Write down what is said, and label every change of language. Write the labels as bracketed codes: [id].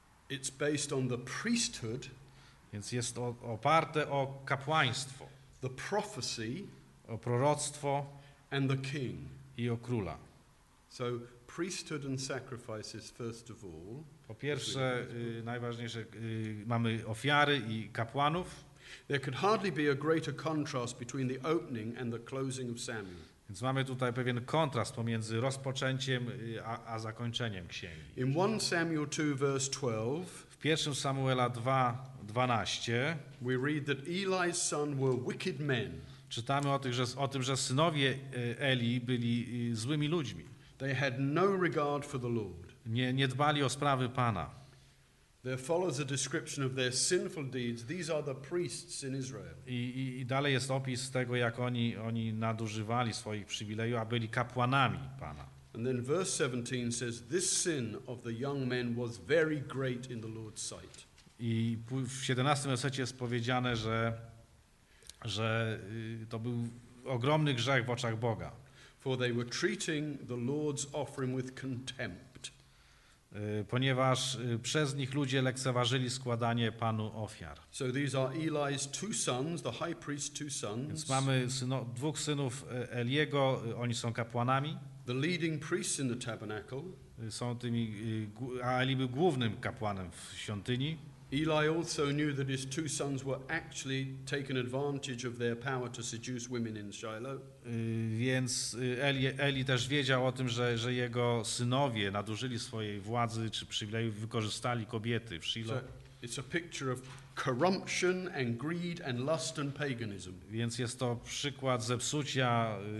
[en] it's based on the priesthood. [pl] Więc jest oparte o kapłaństwo, [en] the prophecy, [pl] o proroctwo, [en] and the king, [pl] i o króla. [en] So priesthood and sacrifices first of all. [pl] Po pierwsze, najważniejsze, mamy ofiary i kapłanów. [en] There could hardly be a greater contrast between the opening and the closing of Samuel. [pl] Więc mamy tutaj pewien kontrast pomiędzy rozpoczęciem a zakończeniem księgi. [en] In 1 Samuel 2 verse 12. [pl] W 1 Samuela 2:12 [en] we read that Eli's son were wicked men. [pl] Czytamy o tym, że synowie Eli byli złymi ludźmi. [en] They had no regard for the Lord. [pl] Nie dbali o sprawy Pana. [en] There follows a description of their sinful deeds. These are the priests in Israel. [pl] I dalej jest opis tego, jak oni nadużywali swoich przywilejów, a byli kapłanami Pana. [en] And then verse 17 says this sin of the young men was very great in the Lord's sight. [pl] I w 17 wersecie jest powiedziane, że to był ogromny grzech w oczach Boga. [en] For they were treating the Lord's offering with contempt. [pl] Ponieważ przez nich ludzie lekceważyli składanie Panu ofiar. [en] So these are Eli's two sons, the high priest's two sons. [pl] Więc mamy dwóch synów Eliego, oni są kapłanami. [en] The leading priests in the tabernacle. [pl] Są tymi, a Eli był głównym kapłanem w świątyni. [en] Eli also knew that his two sons were actually taking advantage of their power to seduce women in Shiloh. [pl] Więc Eli też wiedział o tym, że jego synowie nadużyli swojej władzy czy przywileju, wykorzystali kobiety w Shiloh. [en] So it's a picture of corruption and greed and lust and paganism. [pl] Więc jest to przykład zepsucia